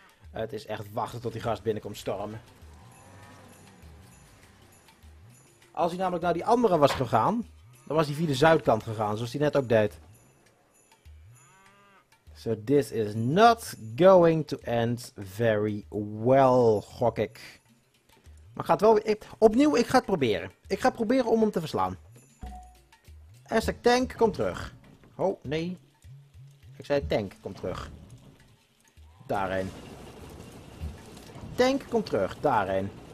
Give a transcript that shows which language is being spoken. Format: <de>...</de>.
<nl>Het is echt wachten tot die gast binnenkomt stormen. Als hij namelijk naar die andere was gegaan, dan was hij via de zuidkant gegaan, zoals hij net ook deed.</nl> <en>So this is not going to end very well,</en> <nl>gok ik. Maar gaat wel weer... Opnieuw, ik ga het proberen. Ik ga proberen om hem te verslaan. Aztec tank, kom terug. Oh, nee. Ik zei tank, kom terug. Daarheen. Tank, kom terug. Daarheen.</nl>